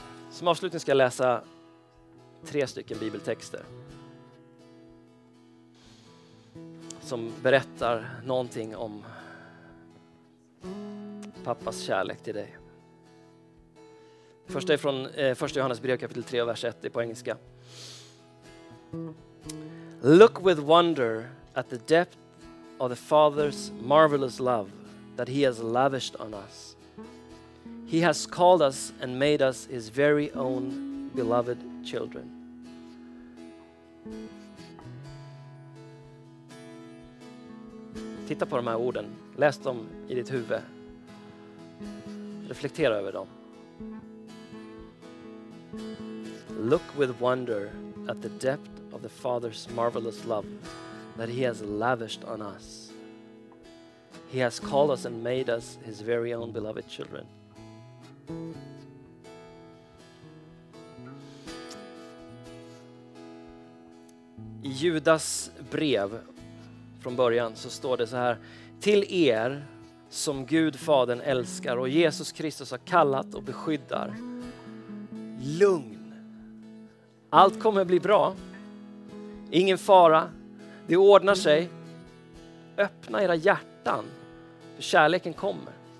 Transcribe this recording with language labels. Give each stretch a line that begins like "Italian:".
Swedish: Som avslutning ska jag läsa 3 stycken bibeltexter som berättar någonting om pappas kärlek till dig. Första är från 1 Johannes brev kapitel 3 vers 1, det är på engelska.
English: Look with wonder at the depth of the Father's marvelous love that he has lavished on us. He has called us and made us his very own beloved children.
Swedish: Titta på de här orden. Läs dem i ditt huvud. Reflektera över dem.
English: Look with wonder at the depth of the Father's marvelous love that he has lavished on us. He has called us and made us his very own beloved children.
Swedish: I Judas brev från början så står det så här: till er som Gud Fadern älskar och Jesus Kristus har kallat och beskyddar, lugn, allt kommer bli bra, ingen fara, det ordnar sig, öppna era hjärtan för kärleken kommer.